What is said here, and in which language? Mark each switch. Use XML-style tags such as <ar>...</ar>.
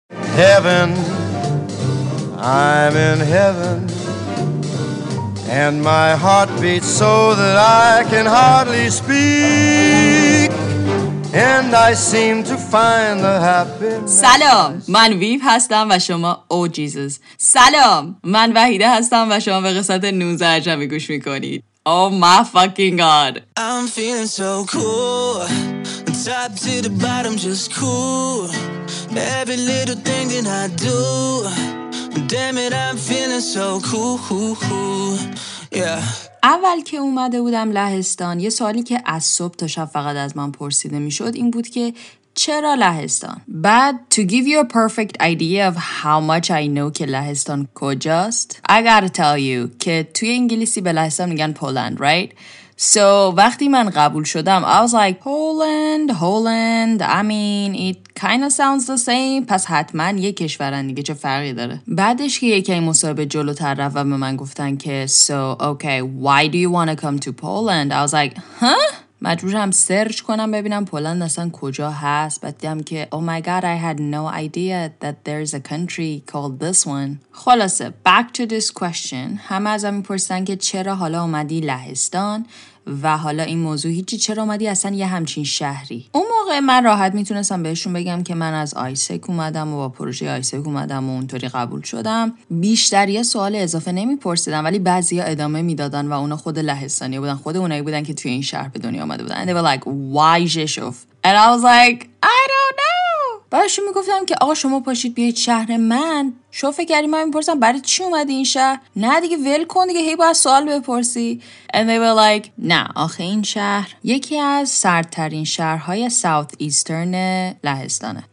<en>heaven, I'm in heaven, and my heart beats so that I can hardly speak, and I seem to find the happiness.</en> <fa>سلام، من ویو هستم و شما او جیزوس. سلام، من وحیده هستم و شما به قسمت 19 عجبه گوش میکنید.</fa> <en>Oh my fucking god. I'm feeling so cool. Top to the bottom just cool. Every little thing that I do. Damn it, I'm feeling so cool. Yeah.</en> <fa>اول که اومده بودم لهستان، یه سوالی که از صبح تا شب فقط از من پرسیده میشد این بود که چرا لهستان؟ بعد</fa> <en>to give you a perfect idea of how much I know</en> <fa>که لهستان کجاست،</fa> <en>I gotta tell you</en> <fa>که توی انگلیسی به لهستان میگن پولند، right؟ So وقتی من قبول شدم</fa> <en>I was like Holland I mean it kind of sounds the same.</en> <fa>پس حتما یه کشورن دیگه، چه فرقی داره؟ بعدش که یکی این مصاحبه جلوتر رفت و به من گفتن که</fa> <en>So okay, why do you wanna come to Poland? I was like huh؟</en> <fa>مجبورم سرچ کنم ببینم پولند اصلا کجا هست. بعد دیدم که</fa> <en>Oh my god, I had no idea that there's a country called this one.</en> <fa>خلاصه</fa> <en>back to this question،</en> <fa>همه ازم میپرسن که چرا حالا اومدی لهستان و حالا این موضوع هیچی، چرا اومدی اصلا یه همچین شهری؟ اون موقع من راحت میتونستم بهشون بگم که من از آیسک اومدم و با پروژه آیسک اومدم و اونطوری قبول شدم. بیشتر یه سوال اضافه نمیپرسیدم، ولی بعضیا ادامه میدادن و اونا خود لهستانی بودن، خود اونایی بودن که توی این شهر به دنیا اومده بودن.</fa> <en>And they were like why Jeshov and I was like I don't know.</en> <fa>بعدشون میگفتم که آقا شما پاشید بیاید شهر من. شو فکر کردی من میپرسم برای چی اومدی این شهر؟ نه دیگه ول کن دیگه، هی باید سوال بپرسی.</fa> <en>And they were like</en> <fa>نه آخه این شهر یکی از سردترین شهرهای ساوت ایسترن لهستانه.</fa>